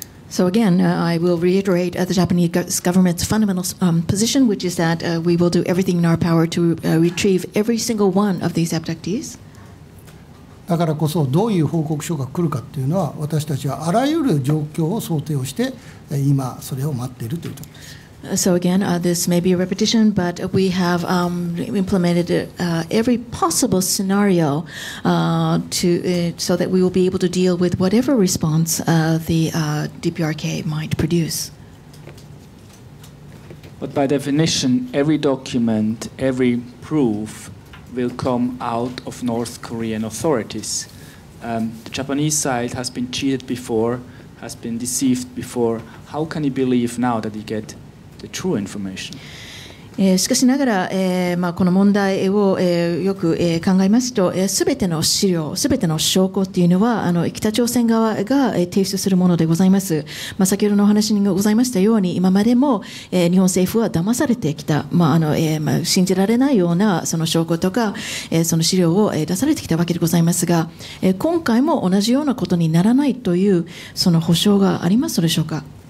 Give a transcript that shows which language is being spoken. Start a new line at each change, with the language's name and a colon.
English: So again, I will reiterate the Japanese government's fundamental position, which is that we will do everything in our power to retrieve every single one of these abductees.
Japanese: だからこそどういう報告書が来るかっていうのは私たちはあらゆる状況を想定をして今それを待っているというところです。
English: So again, this may be a repetition, but we have implemented every possible scenario so that we will be able to deal with whatever response DPRK might produce. But by definition, every document, every proof will come out of North Korean authorities. The Japanese side has been cheated before, has been deceived before. How can you believe now that you get... The true information.
Japanese: しかしながら、この問題を、よく、考えますと、すべての資料、すべての証拠というのは北朝鮮側が、提出するものでございます。まあ、先ほどのお話にございましたように、今までも、日本政府は騙されてきた、まあ信じられないようなその証拠とか、その資料を、出されてきたわけでございますが、今回も同じようなことにならないというその保証がありますでしょうか。